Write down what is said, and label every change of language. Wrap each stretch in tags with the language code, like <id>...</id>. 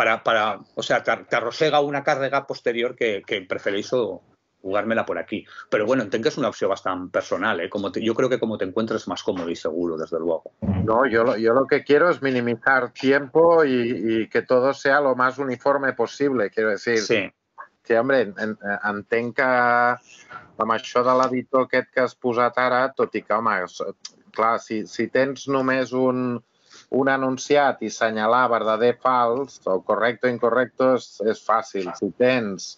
<ca>T'arrossega una càrrega posterior que prefereixo</ca> <es>jugármela por aquí.</es> <ca>Pero bueno, entenc que és una opció bastant personal, ¿eh?</ca> <es>Yo creo que como te encuentres más cómodo y seguro, desde luego. No, yo lo que quiero es minimizar tiempo y que todo sea lo más uniforme posible, quiero decir. Sí.</es> <ca>Sí, hombre, entenc que amb això de l'editor aquest que has posat ara, tot i que, home, clar, si tens només un enunciat i senyalar verdader fals,</ca> <es>o correcto o incorrecto,</es> <ca>és fàcil. Si tens...</ca>